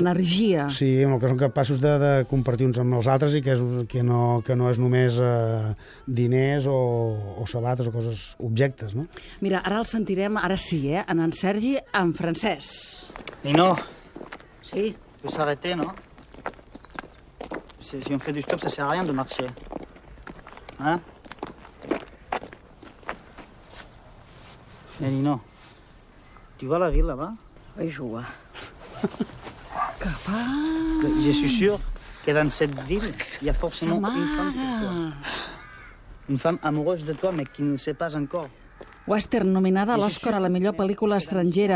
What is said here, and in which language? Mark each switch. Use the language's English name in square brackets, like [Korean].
[Catalan] amb energia... Sí, amb el que som capaços de compartir uns amb els altres i que no és només diners o sabates o coses, objectes, no? Mira, ara el sentirem, ara sí, en en Sergi, en francès. Nino. Sí? [French] Tu s'arrêter, no? Si on fait du stop, ça sert à rien de marcher. Hein? Eh, Nino, tu vois la ville là-bas? Oui, je vois. Capaz! Je suis sûr que dans cette ville, il y a forcément une femme pour toi. Une femme amoureuse de toi, mais qui ne sait pas encore. [Catalan] Western, nominada a l'Òscar a la millor pel·lícula estrangera.